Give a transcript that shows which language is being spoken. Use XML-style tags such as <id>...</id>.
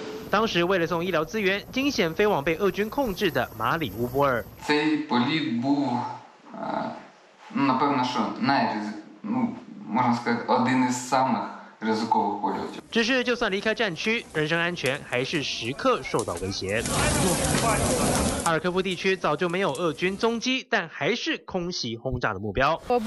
<zh>当时为了送医疗资源，惊险飞往被俄军控制的马里乌波尔。</zh> <uk>Цей політ був, напевно, що можна сказати, один із самих ризикових польотів.</uk> <zh>只是就算离开战区，人身安全还是时刻受到威胁。哈尔科夫地区早就没有俄军踪迹，但还是空袭轰炸的目标。</zh>